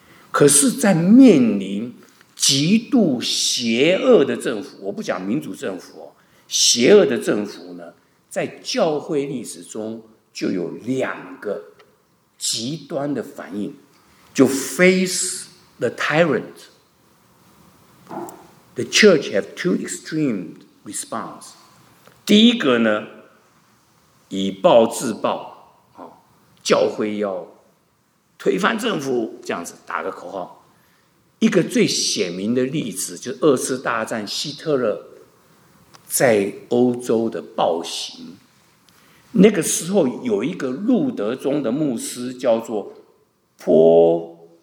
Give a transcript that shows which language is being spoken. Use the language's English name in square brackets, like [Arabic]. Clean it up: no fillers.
[Chinese] 可是在面临极度邪恶的政府，我不讲民主政府，邪恶的政府呢，在教会历史中就有两个极端的反应，就 [English] face the tyrant。 The church have two extreme response。 [Chinese] 第一个呢，以暴制暴，教会要推翻政府，这样子打个口号。一个最显明的例子就是二次大战希特勒在欧洲的暴行，那个时候有一个路德宗的牧师叫做波